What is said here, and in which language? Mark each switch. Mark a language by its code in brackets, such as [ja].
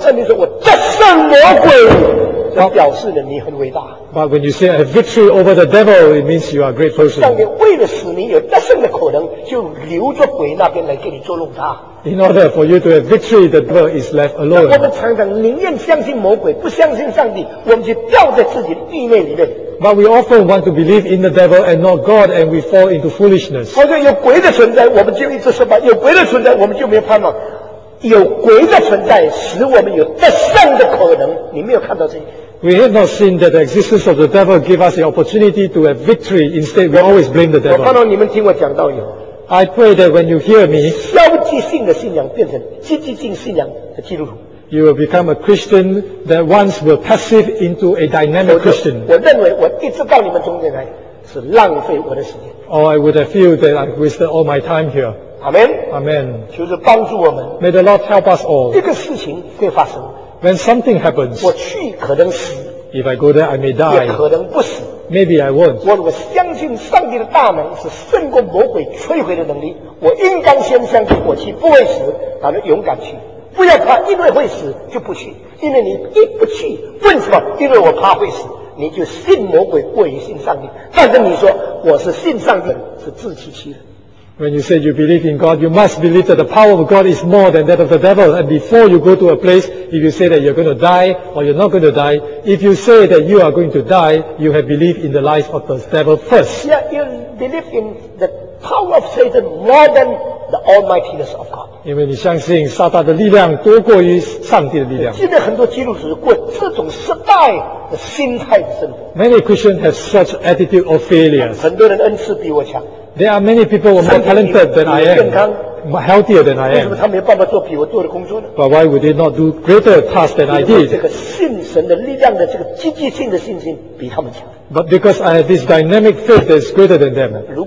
[zh] 上帝说我得胜魔鬼，这表示了你很伟大。 [en] But when you say I have victory over the devil, it means you are a great person. [zh] 上帝为了使你有得胜的可能，就留着鬼那边来给你捉弄他。 [en] In order for you to have victory, the devil is left alone. [zh] 我们常常宁愿相信魔鬼，不相信上帝，我们就掉在自己的地内里面。 [en] But we often want to believe in the devil and not God, and we fall into foolishness. [zh] 好像有鬼的存在，我们就一直失败；有鬼的存在，我们就没有盼望。有鬼的存在，使我们有得胜的可能。你没有看到这些？ [en] We have not seen that the existence of the devil give us the opportunity to have victory. Instead, we always blame the devil. [zh] 我盼望你们听我讲道以后。 [en] I pray that when you hear me, [zh] 消极性的信仰变成积极性信仰的基督徒。 [en] You will become a Christian that once were passive into a dynamic Christian. [zh] 我认为我一直到你们中间来是浪费我的时间。 [en] Or I would have feel that I've wasted all my time here. Amen. Amen. [zh] 求主帮助我们。 [en] May the Lord help us all. [zh] 一个事情会发生。 [en] When something happens, [zh] 我去可能死。 [en] If I go there, I may die. [zh] 也可能不死。 [en] Maybe I won't. [zh] 我相信上帝的大能是胜过魔鬼摧毁的能力。我应该先相信我去不会死，反正勇敢去。不要怕，因为会死就不去。因为你一不去，为什么？因为我怕会死。你就信魔鬼过于信上帝。但是你说我是信上帝，是自欺欺人。 [en] When you say you believe in God, you must believe that the power of God is more than that of the devil. And before you go to a place, if you say that you're going to die or you're not going to die, if you say that you are going to die, you have believed in the lies of the devil first. Yeah, you believe in the power of Satan more than the almightiness of God. [zh] 因为你相信撒旦的力量多过于上帝的力量。现在很多基督徒过这种失败的心态的生活。 [en] Many Christians have such attitude of failure. [zh] 很多人恩赐比我强。 [en] There are many people more talented than I am, healthier than I am. But why would they not do greater tasks than I did? But because I have this dynamic faith that is greater than them.